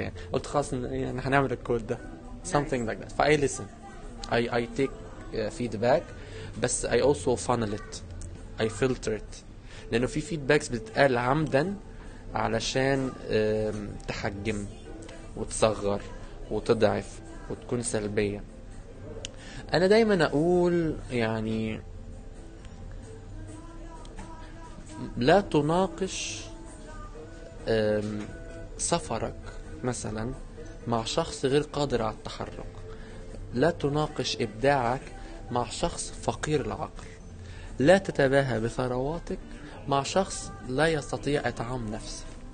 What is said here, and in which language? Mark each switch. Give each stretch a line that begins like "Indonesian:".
Arabic: يعني قلت خلاص يعني هنعمل الكود ده
English: something like that. فاي listen I take feedback بس I also funnel it I filter it،
Arabic: لأنه في فيدباكس بتتقال عمدا علشان تحجم وتصغر وتضعف وتكون سلبية. أنا دايما أقول يعني لا تناقش سفرك مثلا مع شخص غير قادر على التحرك، لا تناقش إبداعك مع شخص فقير العقل، لا تتباهى بثرواتك مع شخص لا يستطيع إطعام نفسه.